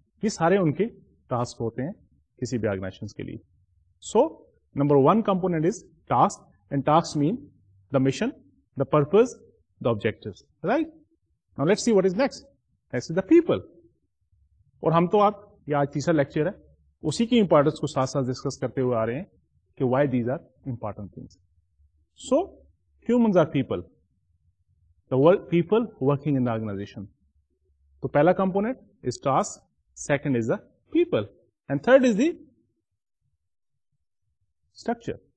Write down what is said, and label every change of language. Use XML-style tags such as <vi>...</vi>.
<ur>یہ سارے ان کے ٹاسک ہوتے ہیں کسی بھی آرگنائزیشن کے لیے.</ur> <en>So number one component is task, and task mean the mission, the purpose, the objectives, right. Now let's see what is next. Next is the people.</en> <ur>اور ہم تو آپ, یہ آج تیسرا لیکچر ہے, اسی کی امپورٹنس کو ساتھ ساتھ ڈسکس کرتے ہوئے آ رہے ہیں کہ</ur> <en>Why these are important things. So humans are people, the world people working in the organisation.</en> <ur>تو پہلا</ur> <en>Component is task, second is the people, and third is the structure.</en>